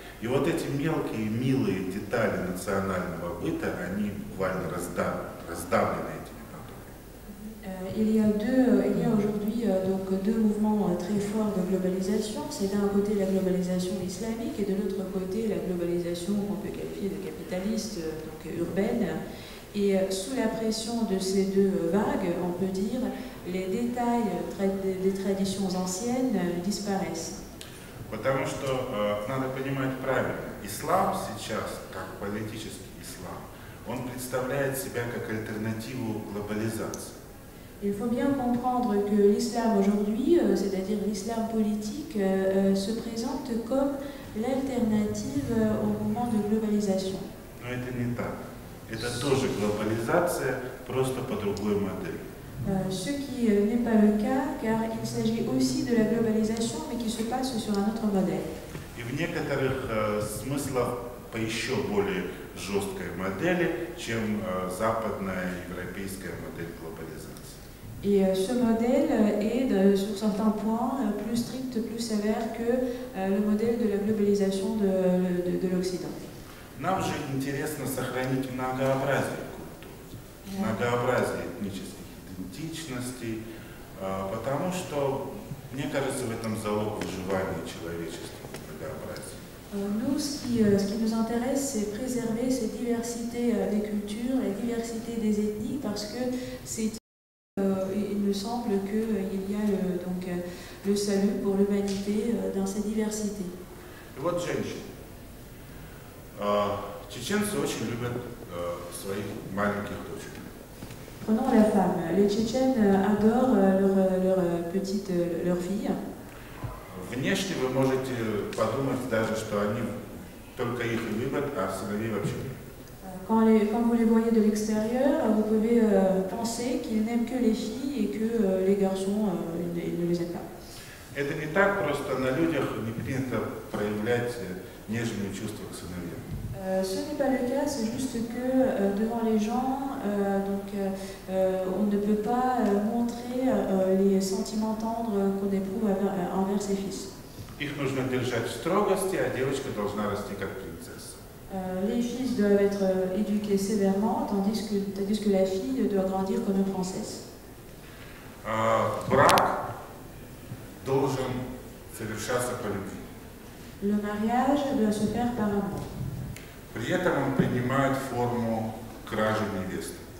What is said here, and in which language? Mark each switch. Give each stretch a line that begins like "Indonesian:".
Russian: И вот эти мелкие, милые детали национального быта, они буквально раздавлены этими потоками.
French: Il y a aujourd'hui donc deux mouvements très forts de globalisation. C'est d'un côté la globalisation islamique et de l'autre côté la globalisation qu'on peut qualifier de capitaliste, donc urbaine. Et sous la pression de ces deux vagues, on peut dire, les détails des traditions anciennes disparaissent.
Russian: Потому что надо понимать правильно, ислам сейчас, как политический ислам, он представляет себя как альтернативу глобализации.
French: Il faut bien comprendre que l'islam aujourd'hui, c'est-à-dire l'islam politique, se présente comme l'alternative au mouvement de globalisation.
Russian: Но это не так. Это тоже глобализация, просто по другой модели.
French: Ce qui n'est pas le cas, car il s'agit aussi de la globalisation, mais qui se passe sur un autre modèle.
Russian: И в некоторых смыслах по еще более жесткой модели, чем западная европейская модель глобализации.
French: Et ce modèle est, sur certains points, plus strict, plus sévère que le modèle de la globalisation de l'Occident.
Russian: Нам же интересно сохранить многообразие культур, многообразие этнических идентичностей, потому что, мне кажется, в этом залог выживания человечества, многообразие.
French: Ce qui nous intéresse, c'est préserver cette diversité des cultures, la diversité des ethnies, parce que c'est, il nous semble qu'il y a le salut pour l'humanité dans cette diversité. Et
Russian: вот женщина. Чеченцы очень любят своих маленьких дочек.
French: Prenons la femme. Les Tchétchènes adorent leur petite, leur fille.
Russian: Внешне вы можете подумать даже, что они только их любят, а сыновей вообще нет.
French: Quand vous les voyez de l'extérieur, vous pouvez penser qu'ils n'aiment que les filles et que les garçons ils ne les aiment pas.
Russian: Это не так просто на людях не принято проявлять нежные чувства к сыновьям.
French: Ce n'est pas le cas, c'est juste que devant les gens, on ne peut pas montrer les sentiments tendres qu'on éprouve envers ses fils.
Russian: Их нужно держать в строгости, а девочка должна расти как принцесса.
French: Les fils doivent être éduqués sévèrement, tandis que la fille doit grandir comme une princesse.
Russian: Брак должен совершаться по любви.
French: Le mariage doit se faire par amour.
Russian: При этом он принимает форму кражи невесты.